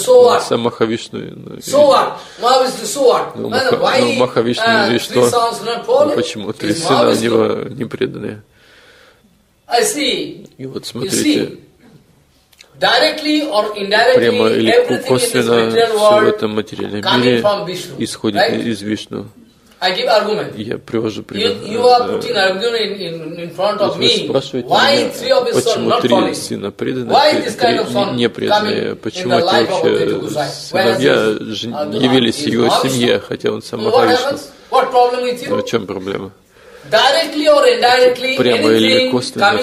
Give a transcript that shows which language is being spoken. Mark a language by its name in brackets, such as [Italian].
[Russian] Сам Махавишну. Махавишну и что? Почему три сына у него не преданные? И вот смотрите, прямо или косвенно все в этом материальном мире исходит из Вишну. [English] I give argument. [Russian] Я привожу пример. [English] You are putting argument in front of me. [Russian] Вы спрашиваете меня, почему три сына преданы, три не преданы? Почему эти вообще сыновья явились в его семье, хотя он сам Махавишну? Ну, в чем проблема? Прямо или косвенно,